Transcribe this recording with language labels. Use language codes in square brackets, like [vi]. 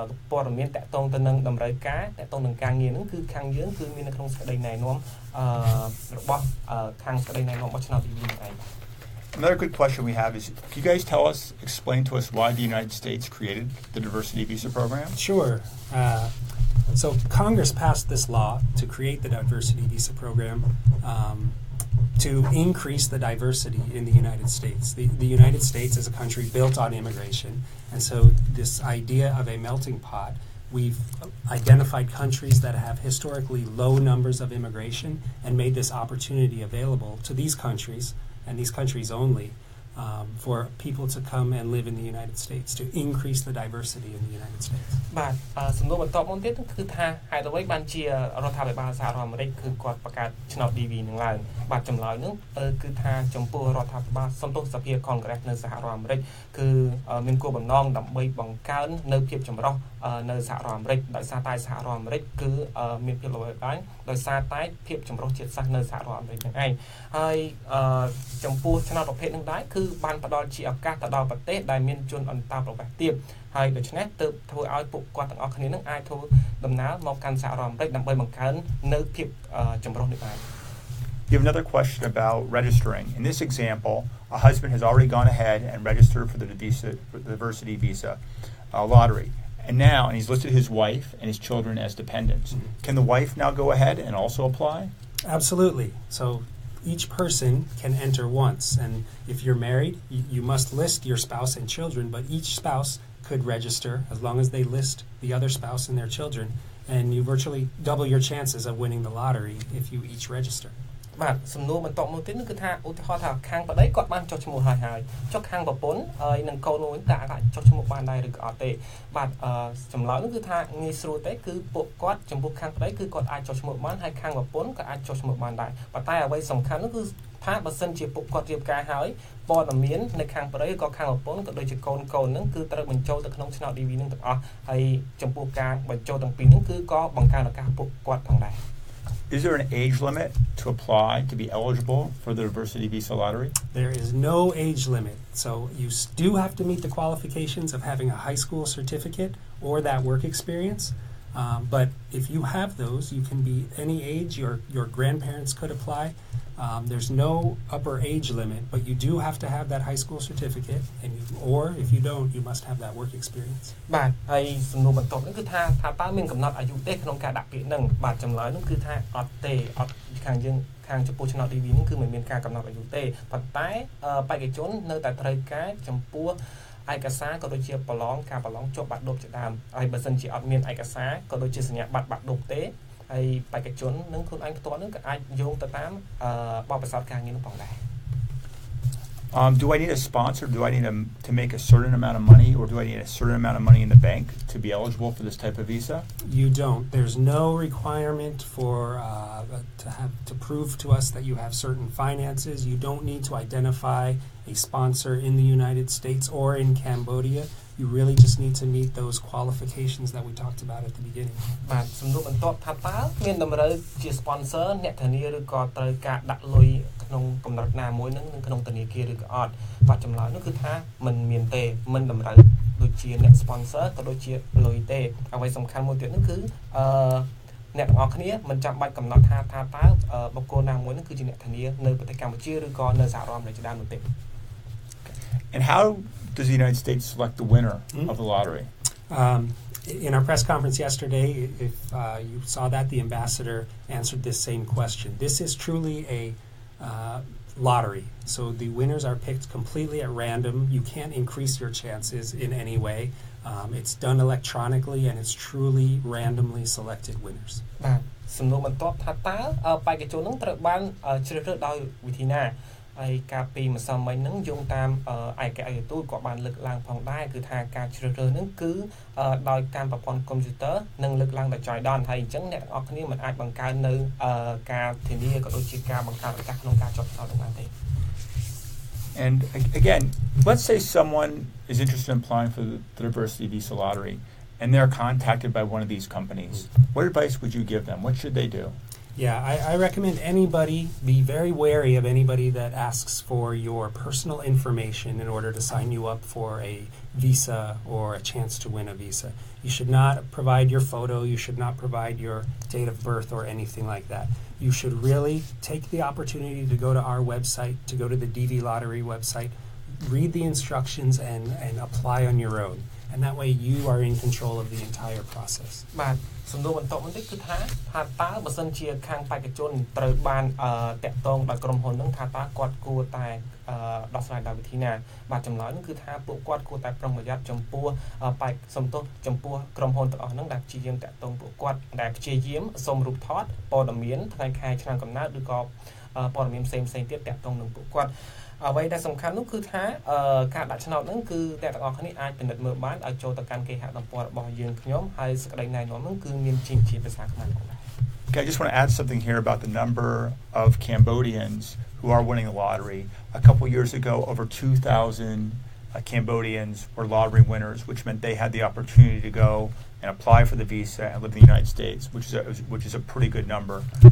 [km] ព័ត៌មានតាក់ទងទៅនឹងតម្រូវការតាក់ទងនឹងការងារនឹងគឺខាងយើងគឺមាននៅក្នុងសេចក្តីណែនាំរបស់ខាងសេចក្តីណែនាំរបស់ឆ្នាំទីនេះឯង [en] Another good question we have is, can you guys tell us, explain to us why the United States created the Diversity Visa Program? Sure. So Congress passed this law to create the Diversity Visa Program to increase the diversity in the United States. The United States is a country built on immigration, and so this idea of a melting pot, we've identified countries that have historically low numbers of immigration and made this opportunity available to these countries,and these countries only, for people to come and live in the United States, to increase the diversity in the United States. But, some of the top one thing is that the way that the Rotterdam is in America is that the channel DV is in line. But, the way that the Rotterdam is in the Congress of America is that the Rotterdam is in the United States. [km] នៅសហរដ្ឋអាមេរិកដោយសារតែសហរដ្ឋអាមេរិកគឺមានភាពល្បីល្បាញដោយសារតែភាពចម្រុះជាតិសាសន៍នៅសហរដ្ឋអាមេរិកហ្នឹងឯងហើយចំពោះឆ្នោតប្រភេទហ្នឹងដែរគឺបានផ្ដល់ជាឱកាសទៅដល់ប្រទេសដែលមានជនអន្តោប្រវេសន៍ទៀតហើយដូច្នេះទើបធ្វើឲ្យពួកគាត់ទាំងអស់គ្នានឹងអាចធ្វើដំណើរមកកាន់សហរដ្ឋអាមេរិកដើម្បីបង្កើននៅភាពចម្រុះនេះបាន [en] You have another question about registering. In this example, a husband has already gone ahead and registered for the diversity visa lottery. And now, and he's listed his wife and his children as dependents. Can the wife now go ahead and also apply? Absolutely. So each person can enter once. And if you're married, you must list your spouse and children, but each spouse could register as long as they list the other spouse and their children. And you virtually double your chances of winning the lottery if you each register. [km] បាទសំណួរបន្តមកទៀតនោះគឺថាឧទាហរណ៍ថាខាងប្តីគាត់បានចុះឈ្មោះហើយហើយចុះខាងប្រពន្ធហើយនឹងកូនរបស់គាត់អាចចុះឈ្មោះបានដែរឬក៏អត់ទេបាទចម្លើយនោះគឺថាងាយស្រួលទេគឺពួកគាត់ចំពោះខាងប្តីគឺគាត់អាចចុះឈ្មោះបានហើយខាងប្រពន្ធក៏អាចចុះឈ្មោះបានដែរប៉ុន្តែអ្វីសំខាន់នោះគឺថាបើសិនជាពួកគាត់រៀបការហើយព័ត៌មាននៅខាងប្តីឬក៏ខាងប្រពន្ធក៏ដូចជាកូនកូននឹងគឺត្រូវបញ្ចូលទៅក្នុងឆ្នោត DV នឹងទាំងអស់ហើយចំពោះការបញ្ចូលទាំងពីរនឹងគឺក៏បង្កើនឱកាសពួកគាត់ផងដែរ [en] Is there an age limit to apply to be eligible for the Diversity Visa Lottery? There is no age limit. So you do have to meet the qualifications of having a high school certificate or that work experience. But if you have those, you can be any age. Your grandparents could apply. There's no upper age limit, but you do have to have that high school certificate, or if you don't, you must have that work experience. [km] បាទហើយសំណួរបន្ទាប់នេះគឺថាតើមានកំណត់អាយុទេក្នុងការដាក់ពាក្យនឹងបាទចម្លើយនោះគឺថាអត់ទេអត់ខាងយើងខាងចំពោះឆ្នាំ DV នេះគឺមិនមានការកំណត់អាយុទេប៉ុន្តែបេក្ខជននៅតែត្រូវការចំពោះឯកសារក៏ដូចជាប្រឡងការប្រឡងជាប់បាក់ឌុបជាដើមហើយបើសិនជាអត់មានឯកសារក៏ដូចជាសញ្ញាបត្របាក់ឌុបទេហើយបេក្ខជននឹងខ្លួនឯងផ្ទាល់នឹងក៏អាចយោងទៅតាមបទពិសោធន៍ការងារនោះផងដែរ [en] Do I need a sponsor? Do I need to make a certain amount of money or do I need a certain amount of money in the bank to be eligible for this type of visa? You don't. There's no requirement for to prove to us that you have certain finances. You don't need to identify a sponsor in the United States or in Cambodia. You really just need to meet those qualifications that we talked about at the beginning. [km] បាទសំណួរបន្ទាប់ថាតើមានតម្រូវជា sponsor អ្នកធានាឬក៏ត្រូវការដាក់លុយក្នុងកម្រិតណាមួយនឹងក្នុងធនាគារឬក៏អត់បាទចម្លើយនោះគឺថាមិនមានទេមិនតម្រូវដូចជាអ្នក sponsor ក៏ដូចជាលុយទេអ្វីសំខាន់មួយទៀតនោះគឺអ្នកទាំងអស់គ្នាមិនចាំបាច់កំណត់ថាតើបុគ្គលណាមួយនឹងគឺជាអ្នកធានានៅប្រទេសកម្ពុជាឬក៏នៅសហរដ្ឋអាមេរិកជាដើមនោះទេ [en] And how does the United States select the winner of the lottery? In our press conference yesterday, if you saw that, the ambassador answered this same question. This is truly a lottery. So the winners are picked completely at random. You can't increase your chances in any way. It's done electronically, and it's truly randomly selected winners. សំណួរបន្ទាប់ថាតើបេក្ខជននឹងត្រូវបានជ្រើសរើសដោយវិធីណាហើយកាលពីម្សិលមិញហ្នឹងយោងតាមឯកអគ្គទូតក៏បានលើកឡើងផងដែរគឺថាការជ្រើសរើសហ្នឹងគឺដោយតាមប្រព័ន្ធកុំព្យូទ័រនិងលើកឡើងដោយចៃដន្យហើយអញ្ចឹងអ្នកទាំងអស់គ្នាមិនអាចបង្កើននៅការធានាក៏ដូចជាការបង្កើនឱកាសក្នុងការចុះសោតបានទេ And again let's say someone is interested in applying for the diversity visa lottery and they're contacted by one of these companies what advice would you give them what should they dodo. Yeah, I recommend anybody be very wary of anybody that asks for your personal information in order to sign you up for a visa or a chance to win a visa. You should not provide your photo. You should not provide your date of birth or anything like that. You should really take the opportunity to go to our website, to go to the DV Lottery website, read the instructions and apply on your own. And that way you are in control of the entire process. Bye. [km] សំណួរបន្ទាប់មួយទៀតគឺថាថាតើបើសិនជាខាងបេក្ខជនត្រូវបានតាក់ទងដោយក្រុមហ៊ុននឹងថាតើគាត់គួរតែដោះស្រាយដោយវិធីណាបាទចម្លើយនឹងគឺថាពួកគាត់គួរតែប្រុងប្រយ័ត្នចំពោះបេក្ខសំទោសចំពោះក្រុមហ៊ុនទាំងអស់នឹងដែលព្យាយាមតាក់ទងពួកគាត់ដែលព្យាយាមសុំរូបថតព័ត៌មានថ្ងៃខែឆ្នាំកំណើតឬក៏ ព័ត៌មានផ្សេងៗទៀតតាក់ទងនឹងពួកគាត់អ្វីដែលសំខាន់នោះគឺថាការដាក់ឆ្នោតហ្នឹងគឺអ្នកទាំងអស់គ្នាអាចពិនិត្យមើលបានឲ្យចូលទៅកាន់គេហទំព័ររបស់យើងខ្ញុំហើយសេចក្តីណែនាំហ្នឹងគឺមានជាជាភាសាខ្មែរផងដែរ [en] Okay, I just want to add something here about the number of Cambodians who are winning the lottery. A couple years ago, over 2,000 Cambodians were lottery winners, which meant they had the opportunity to go and apply for the visa and live in the United States, which is a pretty good number.